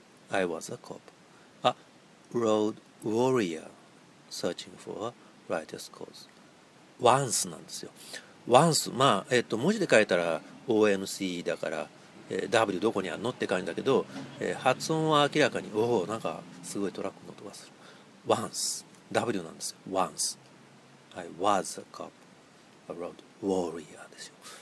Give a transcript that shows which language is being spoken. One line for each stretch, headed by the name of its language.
English: Once I was a cop, a road warrior searching for a righteous cause.
Japanese: Once なんですよ。 Once、まあ文字で書いたら ONC だから、W どこにあんのって感じだけど、発音は明らかにおお、なんかすごいトラックの音がする。 Once、W なんですよ。
English: Once I was a cop, a road warrior
Japanese: でしょ。